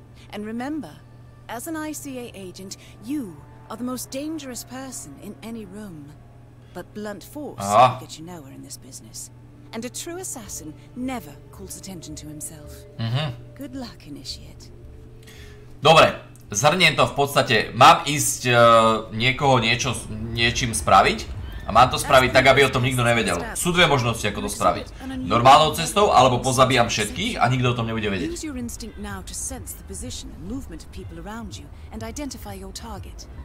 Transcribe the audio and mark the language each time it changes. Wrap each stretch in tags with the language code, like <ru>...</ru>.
<en>And remember, as an ICA agent, you are the most dangerous person in any room, but blunt force can get you nowhere in this business, and a true assassin never calls attention to himself. Good luck, initiate.</en> <sk>Dobre, zhrniem to v podstate, mám ísť niekoho niečo, niečím spraviť a mám to spraviť tak, aby o tom nikto nevedel. Sú dve možnosti, ako to spraviť. Normálnou cestou, alebo pozabijam všetkých a nikto o tom nebude vedieť.</sk> <en>Use your instinct now to sense the position and movement of people around you and identify your target.</en>